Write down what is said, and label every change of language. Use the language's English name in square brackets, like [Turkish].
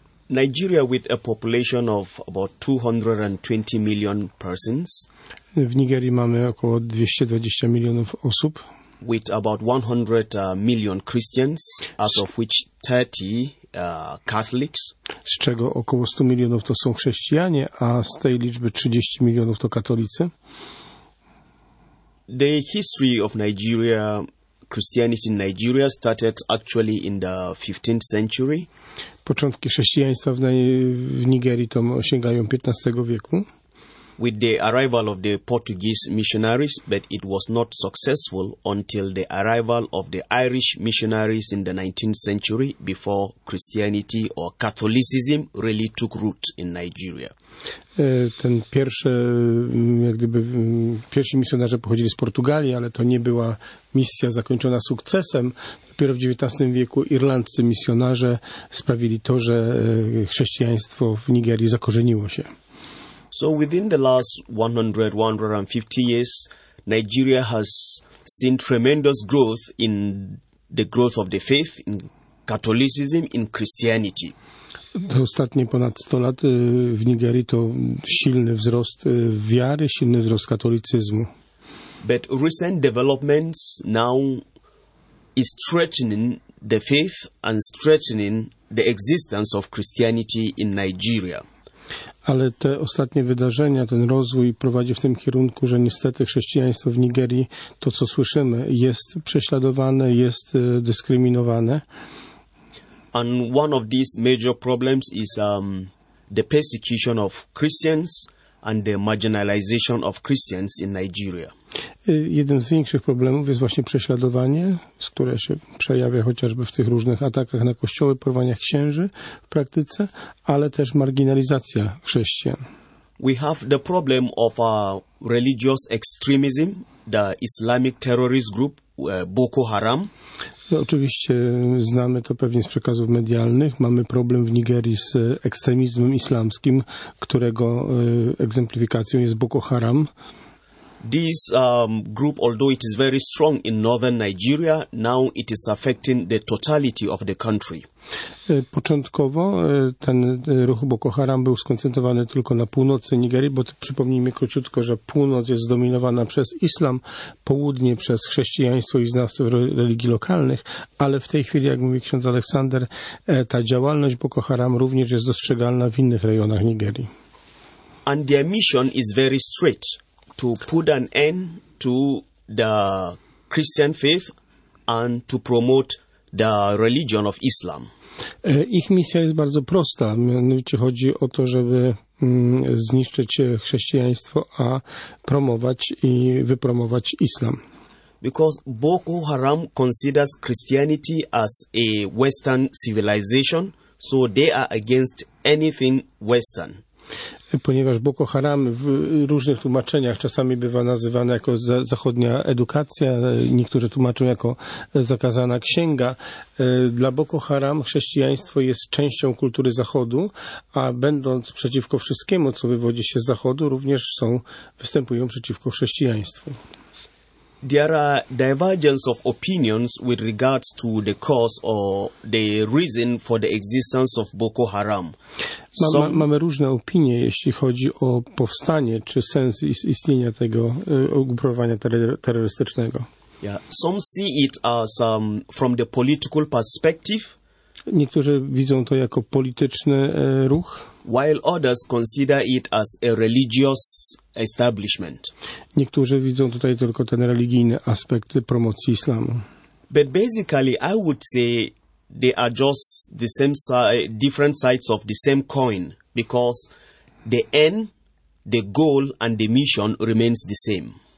[English] Nigeria with a population of about 220 million persons. [Polish] W Nigerii mamy około 220 milionów osób. [English] With about 100 million Christians, out of which 30 Catholics. [Polish] Z czego około 100 milionów to są chrześcijanie, a z tej liczby 30 milionów to katolicy. [English] The history of Nigeria, Christianity in Nigeria started actually in the 15th century. [Polish] Początki chrześcijaństwa w Nigerii to sięgają XV wieku. [English] With the arrival of the Portuguese missionaries, but it was not successful until the arrival of the Irish missionaries in the 19th century before Christianity or Catholicism really took root in Nigeria. [Polish] Ten pierwszy, jak gdyby, pierwsi misjonarze pochodzili z Portugalii, ale to nie była misja zakończona sukcesem. Dopiero w XIX wieku irlandzcy misjonarze sprawili to, że chrześcijaństwo w Nigerii zakorzeniło się. [English] So within the last 100-150 years, Nigeria has seen tremendous growth in the growth of the faith, in Catholicism, in Christianity. [Polish] Ostatnie ponad 100 lat w Nigerii to silny wzrost wiary, silny wzrost katolicyzmu. [English] But recent developments now is threatening the faith and threatening the existence of Christianity in Nigeria. [Polish] Ale te ostatnie wydarzenia, ten rozwój prowadzi w tym kierunku, że niestety chrześcijaństwo w Nigerii, to co słyszymy, jest prześladowane, jest dyskryminowane. [English] And one of these major problems is the persecution of Christians and the marginalization of Christians in Nigeria. [Polish] Jednym z większych problemów jest właśnie prześladowanie, które się przejawia chociażby w tych różnych atakach na kościoły, porwaniach księży w praktyce, ale też marginalizacja chrześcijan. [English] We have the problem of religious extremism, the Islamic terrorist group Boko Haram. [Polish] Oczywiście znamy to pewnie z przekazów medialnych. Mamy problem w Nigerii z ekstremizmem islamskim, którego egzemplifikacją jest Boko Haram. [English] This group, although it is very strong in northern Nigeria, now it is affecting the totality of the country. [Polish] Początkowo ten ruch Boko Haram był skoncentrowany tylko na północy Nigerii, bo przypomnijmy króciutko, że północ jest zdominowana przez islam, południe przez chrześcijaństwo i znawców religii lokalnych, ale w tej chwili, jak mówi ksiądz Aleksander, ta działalność Boko Haram również jest dostrzegalna w innych rejonach Nigerii. [English] And their mission is very straight. To put an end to the Christian faith and to promote the religion of Islam. [Polish] Ich misja jest bardzo prosta, mianowicie chodzi o to, żeby zniszczyć chrześcijaństwo, a promować i wypromować islam. [English] Because Boko Haram considers Christianity as a Western civilization, so they are against anything Western. [Polish] Ponieważ Boko Haram w różnych tłumaczeniach czasami bywa nazywane jako zachodnia edukacja, niektórzy tłumaczą jako zakazana księga. Dla Boko Haram chrześcijaństwo jest częścią kultury Zachodu, a będąc przeciwko wszystkiemu, co wywodzi się z Zachodu, również występują przeciwko chrześcijaństwu. [English] There are divergence of opinions with regards to the cause or the reason for the existence of Boko Haram. [Polish] Mamy różne opinie, jeśli chodzi o powstanie czy sens istnienia tego ugrupowania terrorystycznego. Yeah. [English] Some see it as from the political perspective. [Polish] Niektórzy widzą to jako polityczny ruch. [English] While others consider it as a religious establishment. [Polish] Niektórzy widzą tutaj tylko ten religijny aspekt promocji islamu. [English] But basically I would say they are just the same different sides of the same coin, because the end, the goal and the mission remains the same.